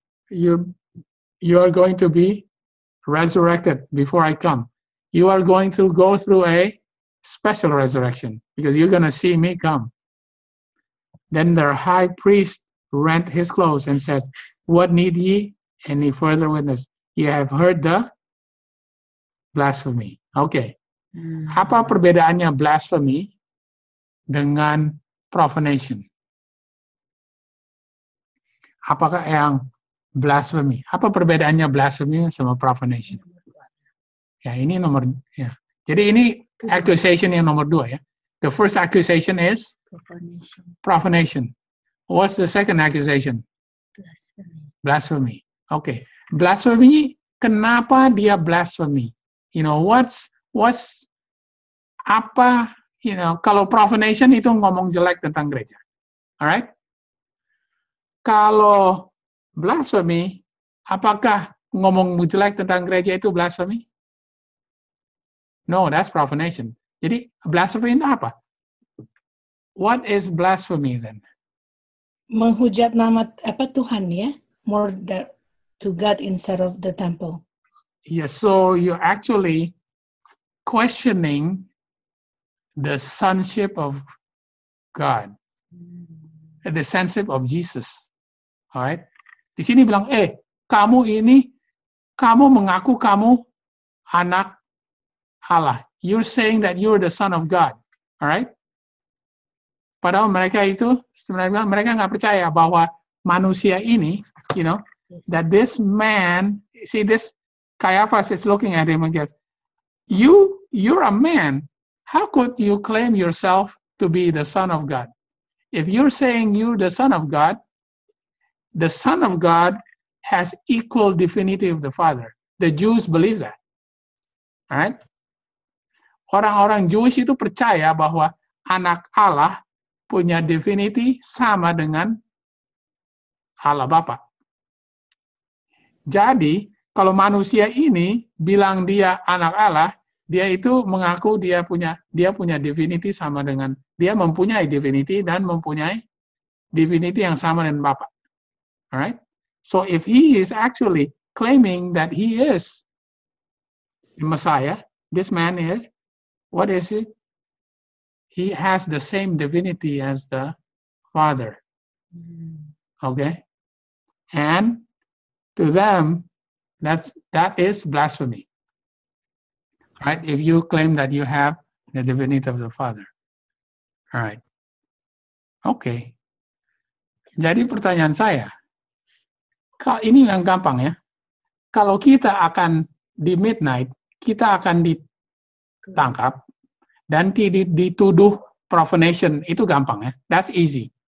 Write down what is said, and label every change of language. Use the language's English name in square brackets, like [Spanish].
[English] You are going to be resurrected before I come. You are going to go through a special resurrection because you're going to see me come. Then their high priest rent his clothes and said, what need ye any further witness? Ye have heard the blasphemy. Okay. [Indonesian] Apa perbedaannya blasphemy dengan profanation? Apakah yang blasphemy? Apa perbedaannya blasphemy sama profanation? Ya, ini nomor, ya. Jadi ini accusation yang nomor dua, ya. [English] The first accusation is profanation. What's the second accusation? Blasphemy. [Indonesian] Okay. Blasphemy, kenapa dia blasphemy? [English] You know, what's [Indonesian] apa, [English] you know, [Indonesian] kalau profanation itu ngomong jelek tentang gereja. [English] Alright? [Indonesian] Kalau blasphemy, apakah ngomong jelek tentang gereja itu blasphemy? [English] No, that's profanation. [Indonesian] Jadi, blasphemy itu apa? [English] What is blasphemy then? [Indonesian] Menghujat nama apa Tuhan ya? [English] More that to God instead of the temple. Yes, so you're actually questioning the sonship of God. The sonship of Jesus. All right? [Indonesian] Di sini bilang, kamu ini Kamu mengaku kamu anak Allah. [English] You're saying that you're the son of God. Alright? [Indonesian] Padahal mereka itu, sebenarnya mereka nggak percaya bahwa manusia ini, [English] you know, that this man, see this, Caiaphas is looking at him and goes, you're a man. How could you claim yourself to be the son of God? If you're saying you're the son of God has equal divinity of the Father. The Jews believe that. Alright? [Indonesian] Orang-orang Jewish itu percaya bahwa anak Allah punya divinity sama dengan Allah Bapa. Jadi, kalau manusia ini bilang dia anak Allah, dia itu mengaku dia punya divinity sama dengan, dia mempunyai divinity dan mempunyai divinity yang sama dengan Bapa. [English] Alright? So if he is actually claiming that he is the Messiah, this man here, what is it? He has the same divinity as the Father. Okay? And to them, that is blasphemy. Right? If you claim that you have the divinity of the Father. All right. Okay. [Indonesian] Jadi pertanyaan saya, ini yang gampang ya. Kalau kita akan di midnight, kita akan ditangkap dan dituduh profanation, itu gampang ya. [English] That's easy.